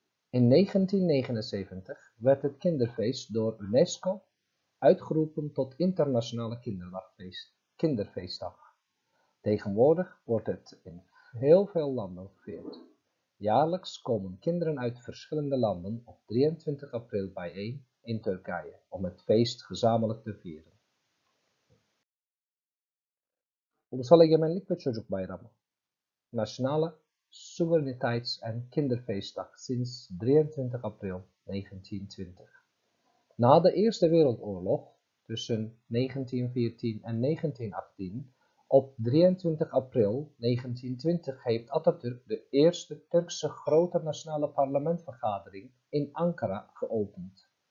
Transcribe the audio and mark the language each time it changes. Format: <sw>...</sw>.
<nl>In 1979 werd het kinderfeest door UNESCO uitgeroepen tot Internationale Kinderfeestdag. Tegenwoordig wordt het in heel veel landen gevierd. Jaarlijks komen kinderen uit verschillende landen op 23 april bijeen in Turkije om het feest gezamenlijk te vieren.</nl> <tr>Ulusal Egemenlik ve Çocuk Bayramı.</tr> <nl>Nationale Soevereiniteits- en Kinderfeestdag sinds 23 april 1920. Na de Eerste Wereldoorlog tussen 1914 en 1918 op 23 april 1920 heeft Atatürk de eerste Turkse grote nationale parlementsvergadering in Ankara geopend.</nl>